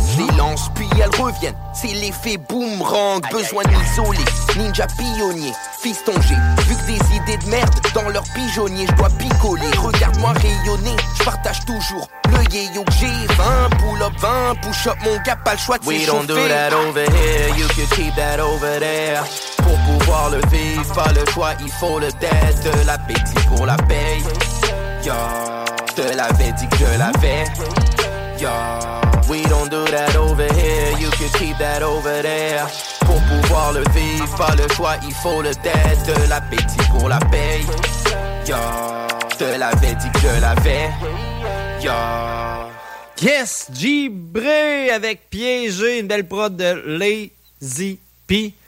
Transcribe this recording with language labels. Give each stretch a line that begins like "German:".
French: Je les lance, puis elles reviennent. C'est l'effet boomerang. Besoin d'isoler, ninja pionnier, fiston j'ai. Vu que des idées de merde dans leur pigeonnier, je dois picoler. Regarde-moi rayonner, je partage toujours le yéyo que j'ai. 20 pull-up, 20 push-up, mon gars, pas le choix de s'échauffer.
English: We don't do that over here, you could keep that over there.
French: Pour pouvoir le vivre, pas le choix, il faut le
English: dead.
French: De l'appétit pour la paye. Yo, te l'avais dit que je l'avais.
English: Yo, we don't do that over here, you could keep that over there.
French: Pour pouvoir le vivre, pas le choix, il faut le dead. De l'appétit pour la paye. Yo, te l'avais dit que je l'avais. Yo. Yes, Gibré avec Piégé, une belle prod de Lazy P.